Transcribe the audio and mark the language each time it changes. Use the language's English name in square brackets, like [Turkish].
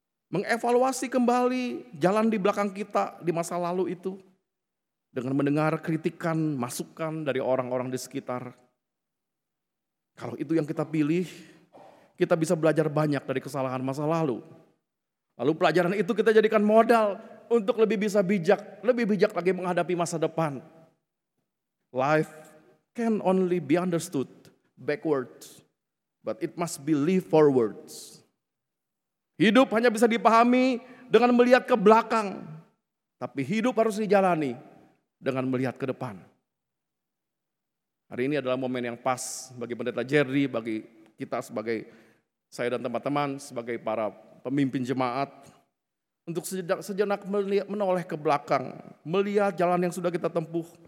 [Indonesian] Mengevaluasi kembali jalan di belakang kita di masa lalu itu dengan mendengar kritikan, masukan dari orang-orang di sekitar. Kalau itu yang kita pilih, kita bisa belajar banyak dari kesalahan masa lalu. Lalu pelajaran itu kita jadikan modal untuk lebih bisa bijak, lebih bijak lagi menghadapi masa depan. [English] Life can only be understood backwards, but it must be lived forwards. [Indonesian] Hidup hanya bisa dipahami dengan melihat ke belakang, tapi hidup harus dijalani dengan melihat ke depan. Hari ini adalah momen yang pas bagi Pendeta Jerry, bagi kita sebagai saya dan teman-teman, sebagai para pemimpin jemaat, untuk sejenak menoleh ke belakang, melihat jalan yang sudah kita tempuh.